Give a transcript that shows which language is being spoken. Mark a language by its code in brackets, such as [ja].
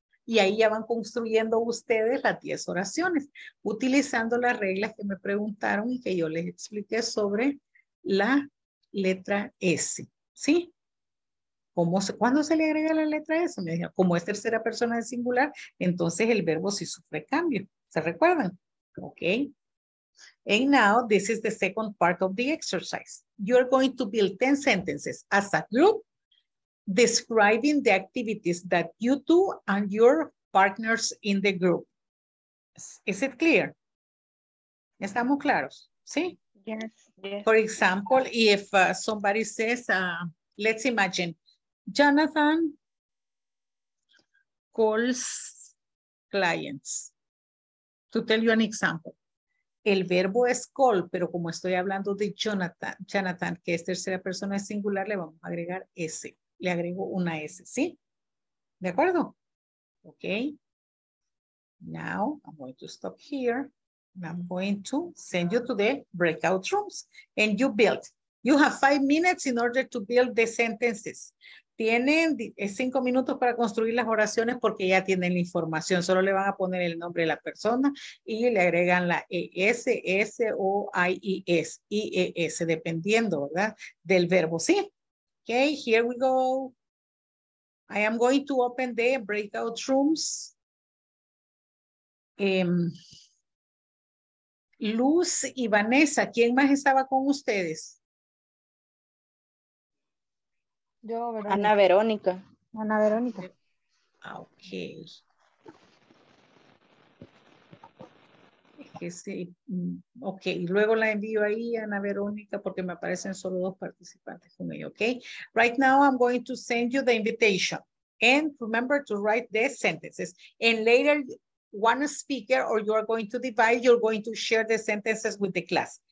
[es] Y ahí ya van construyendo ustedes las 10 oraciones, utilizando las reglas que me preguntaron y que yo les expliqué sobre la letra S. ¿Sí? ¿Cuándo se le agrega la letra S? Me decía, como es tercera persona de singular, entonces el verbo sí sufre cambio. ¿Se recuerdan? Ok. [en] And now, this is the second part of the exercise. You're going to build 10 sentences as a group, describing the activities that you do and your partners in the group. Is it clear? [es] ¿Estamos claros? ¿Sí? [en] Yes. Yes. For example, if somebody says, let's imagine, Jonathan calls clients. To tell you an example. [es] El verbo es call, pero como estoy hablando de Jonathan, que es tercera persona de singular, le vamos a agregar S. Le agrego una S, ¿sí? ¿De acuerdo? Ok. [en] Now, I'm going to stop here. And I'm going to send you to the breakout rooms. And you build. You have 5 minutes in order to build the sentences. [es] Tienen 5 minutos para construir las oraciones porque ya tienen la información. Solo le van a poner el nombre de la persona y le agregan la ES, S, O, I, E, S, I, E, S, dependiendo, ¿verdad? Del verbo, ¿sí? [en] Okay, here we go. I am going to open the breakout rooms. [es] Luz y Vanessa, ¿quién más estaba con ustedes? Yo, Verónica. Ana Verónica. Ana Verónica. Okay. Sí. Ok, luego la envío ahí a Ana Verónica porque me aparecen solo 2 participantes con ella, ok. [en] Right now I'm going to send you the invitation and remember to write the sentences. And later one speaker or you are going to divide, you're going to share the sentences with the class.